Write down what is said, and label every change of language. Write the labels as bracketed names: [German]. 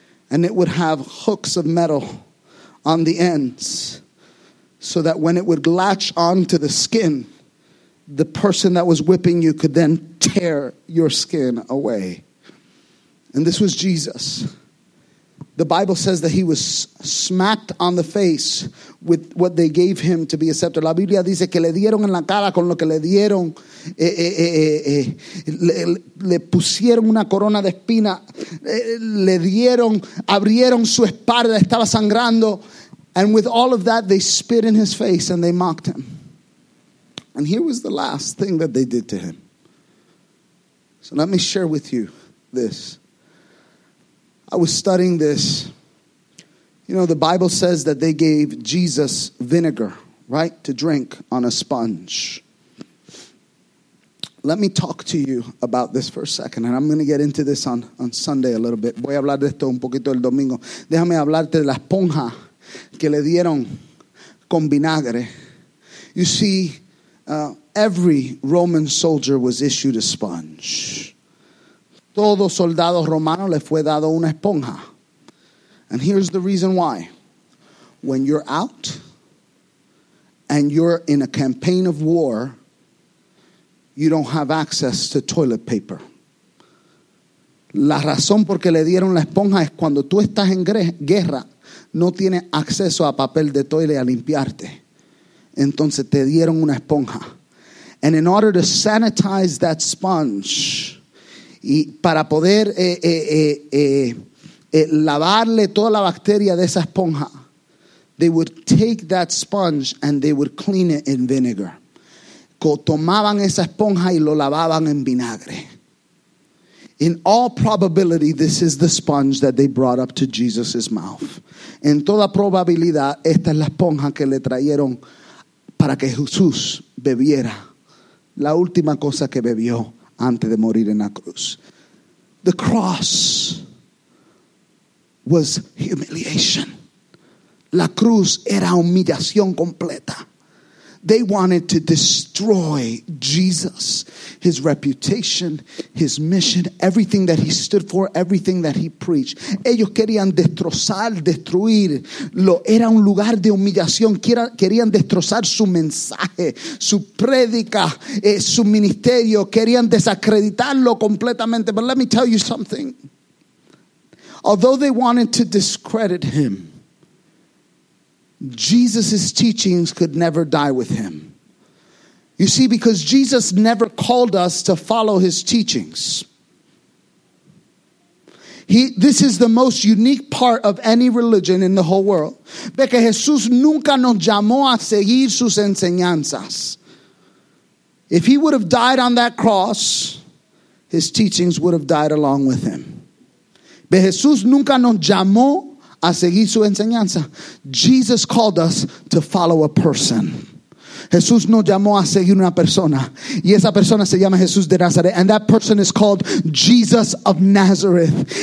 [English] And it would have hooks of metal on the ends so that when it would latch onto the skin, the person that was whipping you could then tear your skin away. And this was Jesus. The Bible says that he was smacked on the face with what they gave him to be a scepter. [Spanish] La Biblia dice que le dieron en la cara con lo que le dieron. Le pusieron una corona de espina. Le dieron, abrieron su espalda, estaba sangrando. [English] And with all of that, they spit in his face and they mocked him. And here was the last thing that they did to him. So let me share with you this. I was studying this. You know, the Bible says that they gave Jesus vinegar, right, to drink on a sponge. Let me talk to you about this for a second, and I'm going to get into this on Sunday a little bit. [Spanish] Voy a hablar de esto un poquito el domingo. Déjame hablarte de la esponja que le dieron con vinagre. [English] You see, every Roman soldier was issued a sponge. [Spanish] Todo soldado romano le fue dado una esponja. [English] And here's the reason why. When you're out and you're in a campaign of war, you don't have access to toilet paper. [Spanish] La razón por qué le dieron la esponja es cuando tú estás en guerra, no tienes acceso a papel de toilet a limpiarte. Entonces te dieron una esponja. [English] And in order to sanitize that sponge, [Spanish] y para poder lavarle toda la bacteria de esa esponja, [English] they would take that sponge and they would clean it in vinegar. [Spanish] Tomaban esa esponja y lo lavaban en vinagre. [English] In all probability, this is the sponge that they brought up to Jesus' mouth. [Spanish] En toda probabilidad, esta es la esponja que le trajeron para que Jesús bebiera. La última cosa que bebió antes de morir en la cruz. [English] The cross was humiliation. [Spanish] La cruz era humillación completa. [English] They wanted to destroy Jesus, his reputation, his mission, everything that he stood for, everything that he preached. [Spanish] Ellos querían destrozar, destruir. Era un lugar de humillación. Querían destrozar su mensaje, su prédica, su ministerio. Querían desacreditarlo completamente. [English] But let me tell you something. Although they wanted to discredit him, Jesus' teachings could never die with him. You see, because Jesus never called us to follow his teachings. This is the most unique part of any religion in the whole world. [Spanish] Ve que Jesús nunca nos llamó a seguir sus enseñanzas. [English] If he would have died on that cross, his teachings would have died along with him. [Spanish] Ve Jesús nunca nos llamó a seguir su enseñanza. [English] Jesus called us to follow a person. [Spanish] Jesús nos llamó a seguir una persona. Y esa persona se llama Jesús de Nazaret. [English] And that person is called Jesus of Nazareth.